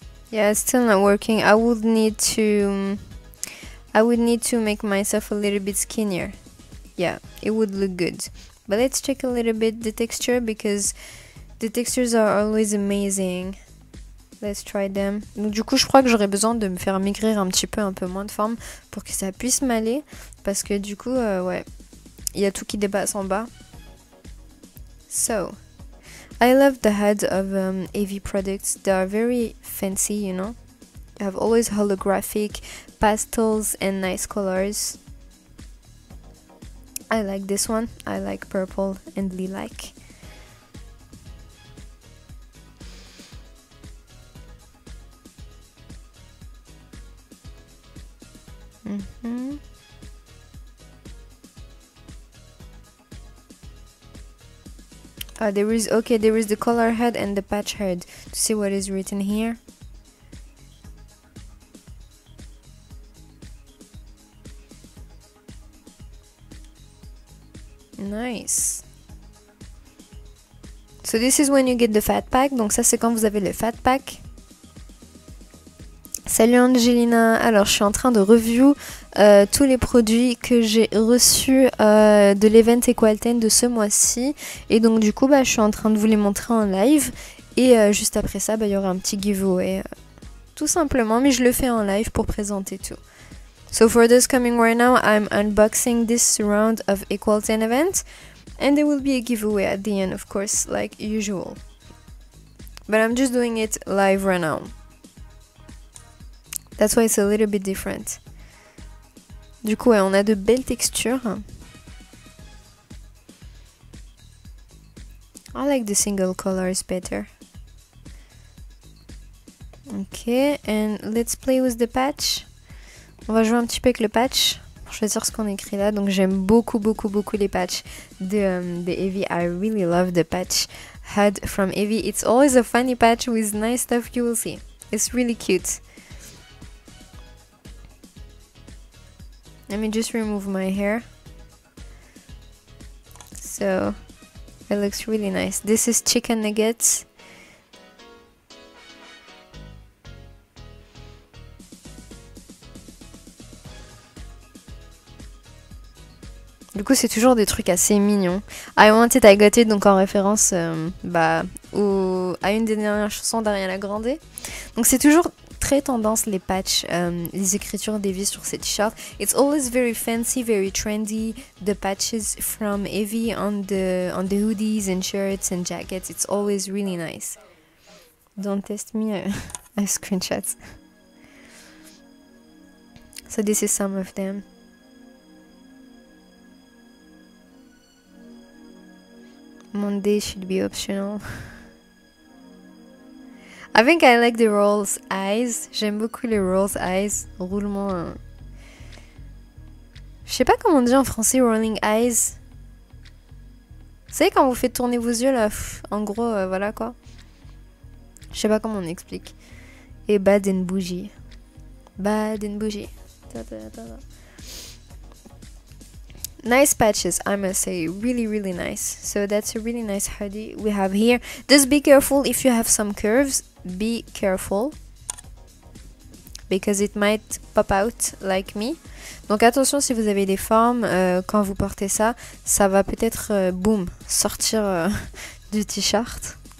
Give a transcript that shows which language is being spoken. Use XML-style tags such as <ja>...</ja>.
<en>Yeah, it's still not working. I would need to make myself a little bit skinnier. Yeah, it would look good. But let's check a little bit the texture, because the textures are always amazing. Let's try them.</en> <fr>Donc du coup, je crois que j'aurais besoin de me faire maigrir un peu moins de forme pour que ça puisse m'aller, parce que du coup, ouais, il y a tout qui dépasse en bas.</fr> <en>So, I love the head of AV products. They are very fancy, you know. You have always holographic pastels and nice colors. I like this one. I like purple and lilac. There is the color head and the patch head. To see what is written here. Nice. So this is when you get the fat pack.</en> <fr>Donc ça c'est quand vous avez le fat pack. Salut Angelina. Alors je suis en train de review tous les produits que j'ai reçus de l'event Equal10 de ce mois-ci. Et donc du coup bah, je suis en train de vous les montrer en live. Et juste après ça bah, il y aura un petit giveaway. Tout simplement, mais je le fais en live pour présenter tout.</fr> <en>So for those coming right now, I'm unboxing this round of Equal10 event, and there will be a giveaway at the end, of course, like usual. But I'm just doing it live right now. That's why it's a little bit different.</en> <fr>Du coup, ouais, on a de belles textures.</fr> <en>I like the single colors better. Okay, and let's play with the patch.</en> <fr>On va jouer un petit peu avec le patch pour choisir ce qu'on écrit là. Donc j'aime beaucoup, beaucoup, beaucoup les patchs de Evie.</fr> <en>I really love the patch head from Evie. It's always a funny patch with nice stuff, you will see. It's really cute. Let me just remove my hair. So, it looks really nice. This is chicken nuggets.</en> <fr>Du coup, c'est toujours des trucs assez mignons.</fr> <en>I Want It, I Got It,</en> <fr>donc en référence à une des dernières chansons d'Ariana Grande. Donc c'est toujours très tendance les patchs, les écritures d'Evie sur ses t-shirts.</fr> <en>It's always very fancy, very trendy, the patches from Evie on the hoodies and shirts and jackets. It's always really nice. Don't test me, I screenshot. So this is some of them. Monday should be optional. I think I like the Rolls Eyes.</en> <fr>J'aime beaucoup les Rolls Eyes. Roulement. Je sais pas comment on dit en français rolling eyes. Vous savez quand vous faites tourner vos yeux là, en gros, voilà quoi. Je sais pas comment on explique. Et bad and bougie.</fr> <en>Bad and bougie. Ta-da-da-da. Nice patches, I must say, really, really nice. So that's a really nice hoodie we have here. Just be careful if you have some curves, be careful. Because it might pop out like me.</en> <fr>Donc attention si vous avez des formes, quand vous portez ça, ça va peut-être, boum, sortir du t-shirt.</fr>